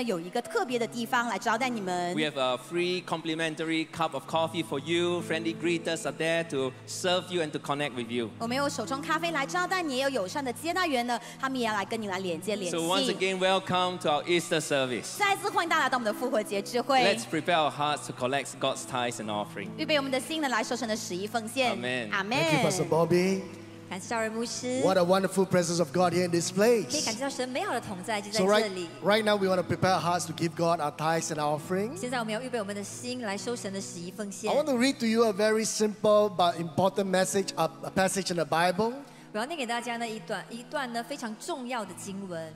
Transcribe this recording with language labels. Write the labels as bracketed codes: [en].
[zh] 然后聚会之后呢，不要急着离开，我们605厅那边呢有一个特别的地方来招待你们。 [en] We have a free complimentary cup of coffee for you. Friendly greeters are there to serve you and to connect with you. [zh] 我们有手冲咖啡来招待你，也有友善的接待员呢，他们也要来跟你来连接联系。 [en] So once again, welcome to our Easter service. [zh] 再次欢迎大家来到我们的复活节聚会。 [en] Let's prepare our hearts to collect God's tithes and offering. [zh] 预备我们的心呢，来收成的十一奉献。 [en] Amen. Amen. Thank you, Pastor Bobby. What a wonderful presence of God here in this place. So right now we want to prepare our hearts to give God our tithes and our offering. I want to read to you a very simple but important message, a passage in the Bible. [zh] 我要念给大家呢一段非常重要的经文。